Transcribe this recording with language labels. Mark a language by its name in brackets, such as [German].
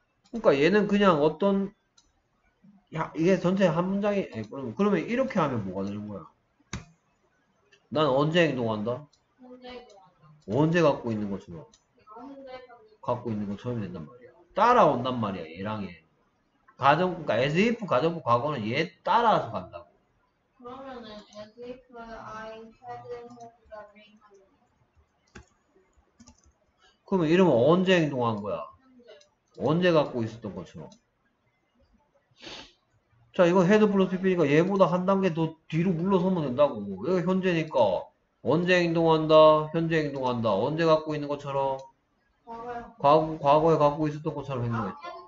[Korean] 그러니까 얘는 그냥 어떤, 야, 이게 전체 한 문장이, 아니, 그러면 이렇게 하면 뭐가 되는 거야? 난 언제 행동한다? 언제 갖고 있는 것처럼? 갖고 있는 것처럼 된단 말이야. 따라온단 말이야, 얘랑 얘. 그러니까 as if 가정부 과거는 얘 따라서 간다고. 그러면은 [English] as if I hadn't had the ring [Korean] 그러면 이러면 언제 행동한 거야? 언제 갖고 있었던 것처럼? 자, 이거 [English] head plus pp [Korean] 니까 얘보다 한 단계 더 뒤로 물러서면 된다고. 이거 현재니까 언제 행동한다? 현재 행동한다. 언제 갖고 있는 것처럼? 과거에 갖고 있었던 것처럼 행동했다.